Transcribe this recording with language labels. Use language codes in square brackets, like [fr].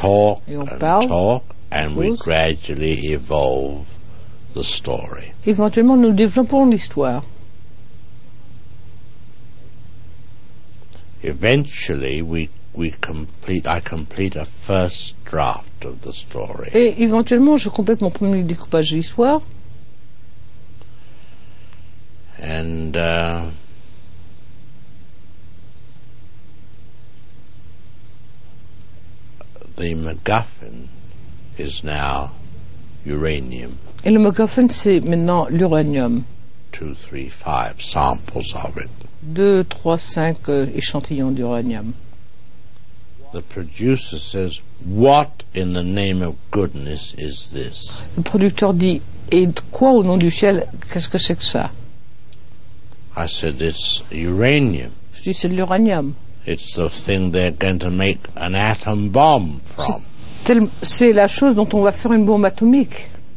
[en] And we talk. We gradually evolve the story. [fr] Éventuellement, nous développons l'histoire. [en] Eventually, I complete a first draft of the story. [fr] Et éventuellement, je complète mon premier découpage de l'histoire. [en] And the MacGuffin is now uranium. [fr] Et le MacGuffin, c'est maintenant l'uranium. [en] 2, 3, 5 samples of it. [fr] 2, 3, 5 échantillons d'uranium. [en] The producer says, "What in the name of goodness is this?" [fr] Le producteur dit, et quoi au nom du ciel, qu'est-ce que c'est que ça? [en] I said, "It's uranium." [fr] Je dis, c'est de l'uranium. [en] It's the thing they're going to make an atom bomb from. [fr] C'est la chose dont on va faire une bombe atomique.